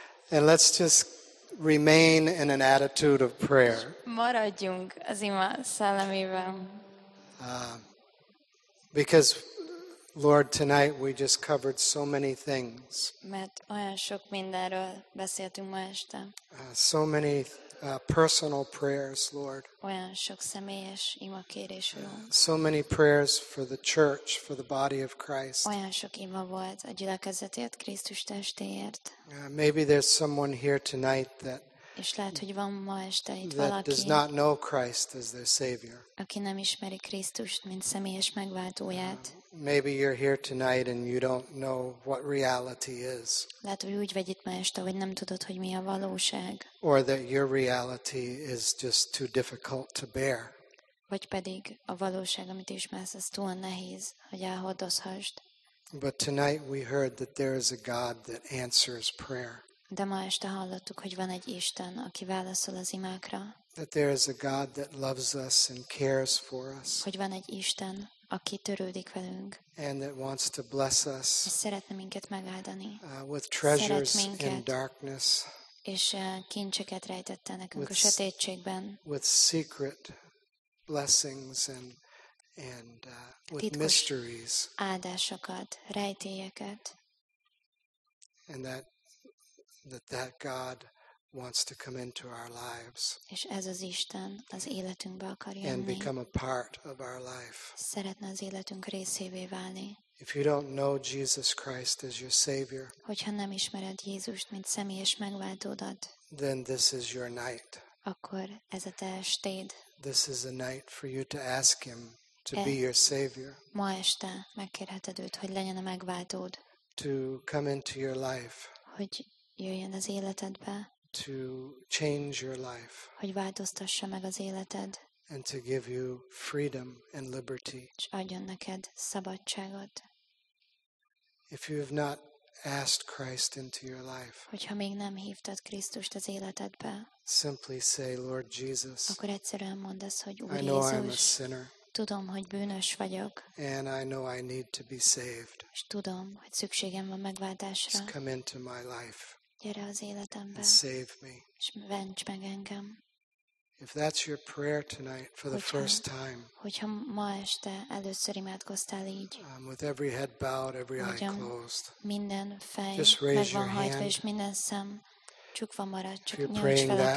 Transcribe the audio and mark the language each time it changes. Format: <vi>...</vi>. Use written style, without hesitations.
<en>And let's just remain in an attitude of prayer.</en> <hu>Maradjunk az ima szellemében.</hu> <en>Because, Lord, tonight we just covered so many things.</en> <hu>Mert olyan sok mindenről beszéltünk ma este.</hu> <en>So many personal prayers, Lord.</en> <hu>Olyan sok személyes ima kérés, Uram.</hu> <en>So many prayers for the church, for the body of Christ.</en> <hu>Olyan sok ima volt a gyülekezetért, Krisztus testéért.</hu> <en>Maybe there's someone here tonight that</en> <hu>és lehet, hogy van ma este itt</hu> <en>that</en> <hu>valaki,</hu> <en>does not know Christ as their Savior.</en> <hu>Aki nem ismeri Krisztust, mint személyes megváltóját.</hu> <en>Maybe you're here tonight and you don't know what reality is.</en> <hu>Lehet, hogy úgy vagy itt ma este, hogy nem tudod, hogy mi a valóság.</hu> <en>Or that your reality is just too difficult to bear.</en> <hu>Vagy pedig a valóság, amit ismersz, az túl nehéz, hogy elhordozhasd.</hu> <en>But tonight we heard that there is a God that answers prayer.</en> <hu>De ma este hallottuk, hogy van egy Isten, aki válaszol az imákra.</hu> <en>That there is a God that loves us and cares for us.</en> <hu>Hogy van egy Isten, aki törődik velünk.</hu> <en>And that wants to bless us.</en> <hu>És szeretne minket megáldani.</hu> <en>With treasures in darkness.</en> <hu>És kincseket rejtette nekünk a sötétségben.</hu> <en>With secret blessings and with mysteries.</en> <hu>Áldásokat, rejtélyeket.</hu> <en>And that God wants to come into our lives.</en> <hu>És ez az Isten az életünkbe akar jönni.</hu> <en>And become a part of our life.</en> <hu>Szeretne az életünk részévé válni.</hu> <en>If you don't know Jesus Christ as your Savior,</en> <hu>hogyha nem ismered Jézust, mint személyes megváltódat,</hu> <en>then this is your night.</en> <hu>Akkor ez a te estéd.</hu> <en>This is a night for you to ask him to be your Savior.</en> <hu>Ma este megkérheted őt, hogy legyen a megváltód.</hu> <en>To come into your life.</en> <hu>Hogy jöjjön az életedbe.</hu> <en>To change your life.</en> <hu>Hogy változtassa meg az életed.</hu> <en>And to give you freedom and liberty.</en> <hu>És adjon neked szabadságot.</hu> <en>If you have not asked Christ into your life.</en> <hu>Hogyha még nem hívtad Krisztust az életedbe.</hu> <en>Simply say, Lord Jesus.</en> <hu>Akkor egyszerűen mondd azt, hogy Úr</hu> <en>Jézus. I know I'm a sinner.</en> <hu>Tudom, hogy bűnös vagyok.</hu> <en>And I know I need to be saved.</en> <hu>És tudom, hogy szükségem van megváltásra.</hu> <en>Just come into my life.</en> <hu>Gyere az életembe.</hu> <en>Save me.</en> <hu>És ments meg engem.</hu> <en>If that's your prayer tonight for the first time.</en> <hu>Hogyha ma este először imádkoztál így.</hu> <en>With every head bowed, every eye closed.</en> <hu>Minden fej meg van hajtva, és minden szem csukva marad, csak nyújts fel a kezed.</hu>